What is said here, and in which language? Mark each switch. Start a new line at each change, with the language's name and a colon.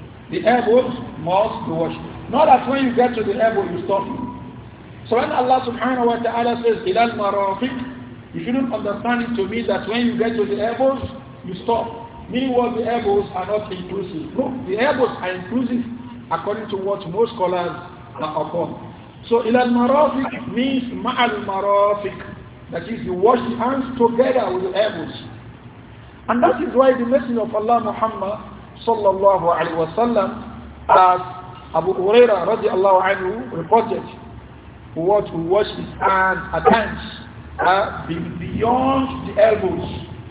English: The elbows must be washed. Not that when you get to the elbow, you stop. So when Allah subhanahu wa ta'ala says,
Arabic: إِلَى الْمَرَافِقِ,
English: you shouldn't understand it to mean that when you get to the elbows, you stop. Meaning what, the elbows are not inclusive. No, the elbows are inclusive according to what most scholars are upon.
Arabic: So إِلَى الْمَرَافِقِ
English: means
Arabic: مَعَ الْمَرَافِقِ.
English: That is, you wash the hands together with the elbows. And that is why the Messenger of Allah Muhammad sallallahu alayhi wa sallam, as Abu Huraira radiallahu anhu reported, who washed his hands at times beyond the elbows.